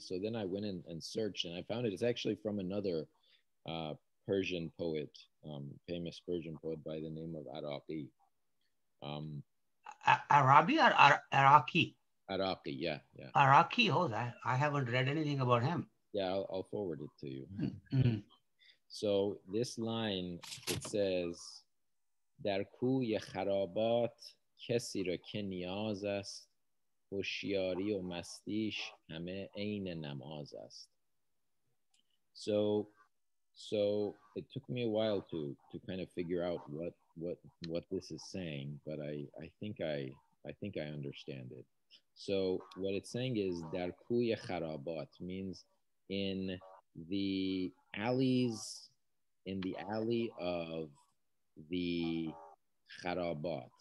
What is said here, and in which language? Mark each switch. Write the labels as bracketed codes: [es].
[en] So then I went in and searched, and I found it. It's actually from another Persian poet, famous Persian poet by the name of Araki. Arabi or Araki? Araki, yeah, yeah. Araki, oh, I haven't read anything about him. Yeah, I'll forward it to you. So this line, it says, [fa] در کوی خرابات کسی را که نیاز است هوشیاری و مستیش همه عین نماز است. [en] So it took me a while to kind of figure out what this is saying, but I think I understand it. So what it's saying is [fa] در کوی خرابات [en] means in the alleys, in the alley of the Kharabat.